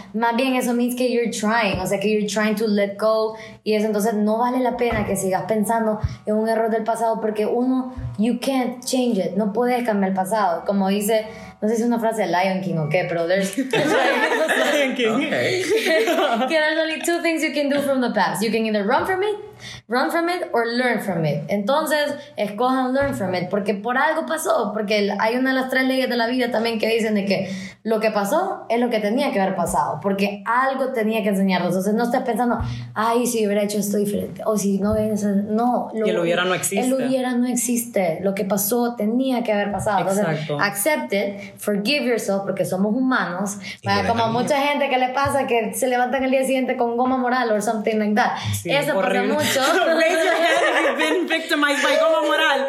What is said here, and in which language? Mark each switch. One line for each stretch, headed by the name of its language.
Spanish: Más bien eso
English: means que you're trying,
Spanish: o sea, que
English: you're trying to let go.
Spanish: Y eso entonces no vale la pena que sigas pensando en un error del pasado, porque uno,
English: you can't change it,
Spanish: no puedes cambiar el pasado. Como dice... No sé si es una frase de Lion King o qué, pero there's...
English: Lion King. Okay. Que there's only two things you can do from the past. You can either run from it, or learn from it.
Spanish: Entonces, escojan
English: learn from it,
Spanish: porque por algo pasó, porque hay una de las tres leyes de la vida también que dicen de que lo que pasó es lo que tenía que haber pasado, porque algo tenía que enseñarnos. Entonces, no estés pensando, ay, si hubiera hecho esto diferente, o si no hubiera hecho... No. El hubiera no existe. Lo que pasó tenía que haber pasado. Exacto. Entonces,
English: accept it, forgive yourself,
Spanish: porque somos humanos. Vaya, como a mucha gente que le pasa que se levantan el día siguiente con goma moral
English: or something like that.
Spanish: Sí, eso horrible. Pasa mucho.
English: Raise your hand if you've been victimized by goma moral.